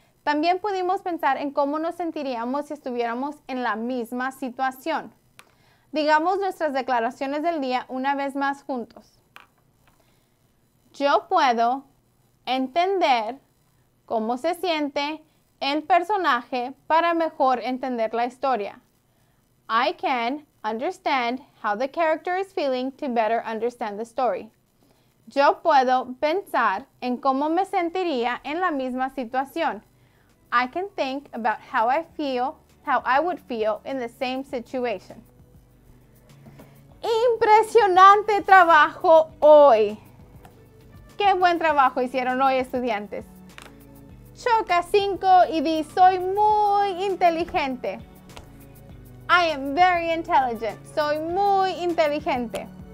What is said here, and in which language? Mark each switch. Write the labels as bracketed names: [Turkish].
[Spanish] También pudimos pensar en cómo nos sentiríamos si estuviéramos en la misma situación. Digamos nuestras declaraciones del día una vez más juntos. Yo puedo entender cómo se siente el personaje para mejor entender la historia. [English] I can understand how the character is feeling to better understand the story. [Spanish] Yo puedo pensar en cómo me sentiría en la misma situación. [English] I can think about how I would feel in the same situation. [Spanish] ¡Impresionante trabajo hoy! ¡Qué buen trabajo hicieron hoy, estudiantes! Choca 5 y di, soy muy inteligente. [English] I am very intelligent. [Spanish] Soy muy inteligente.